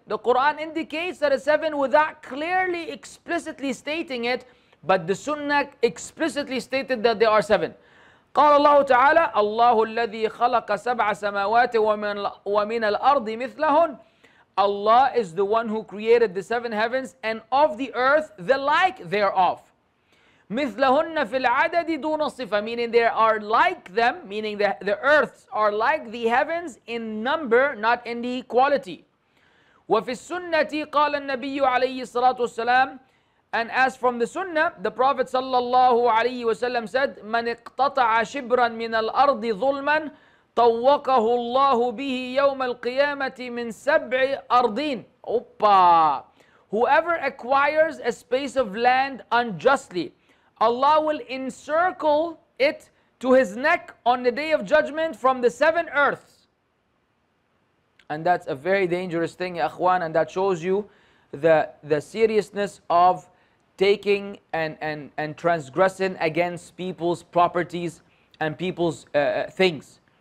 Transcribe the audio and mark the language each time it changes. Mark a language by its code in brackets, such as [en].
[en] The Quran indicates that it's seven without clearly explicitly stating it, but the Sunnah explicitly stated that there are seven. [ar] قال الله تعالى, الله الذي خلق سبع سماوات ومن الأرض مثلهن. [en] Allah is the one who created the seven heavens and of the earth the like thereof. [ar] مثلهن في العدد دون صفة, [en] meaning there are like them, meaning the earths are like the heavens in number, not in the quality. [ar] وفي السنة قال النبي عليه الصلاة والسلام, [en] and as from the Sunnah, the Prophet صلى الله عليه وسلم said, [ar] من اقتطع شبرا من الأرض ظلما طع طوقه الله به يوم القيامة من سبع أرضين. أوبا. [en] Whoever acquires a space of land unjustly, Allah will encircle it to his neck on the day of judgment from the seven earths. And that's a very dangerous thing, ya akhwan, and that shows you the seriousness of taking and transgressing against people's properties and people's things.